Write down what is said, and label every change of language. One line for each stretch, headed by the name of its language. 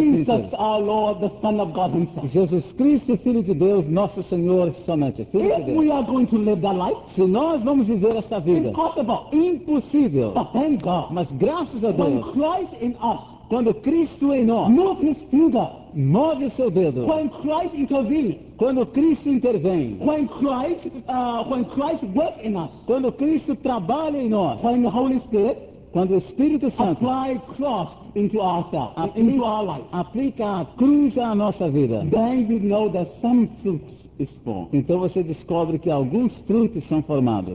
English: Jesus, our Lord, the Son of God himself.
Portuguese: Jesus Cristo, Filho de Deus, nosso Senhor somente. Filho
English: if we are going to live that life,
Portuguese: se nós vamos viver esta vida,
English: impossible.
Portuguese: Impossível.
English: But thank God.
Portuguese: Mas graças a Deus.
English: When Christ in us,
Portuguese: quando Cristo em nós,
English: move his finger,
Portuguese: move seu dedo.
English: When Christ intervenes,
Portuguese: quando Cristo intervém.
English: When Christ works in us,
Portuguese: quando Cristo trabalha em nós.
English: When the Holy Spirit,
Portuguese: quando o Espírito Santo
English: apply cross into ourselves, into our life,
Portuguese: aplica a cruz à nossa vida.
English: Then you know that some fruit is born.
Portuguese: Então você descobre que alguns frutos são formados.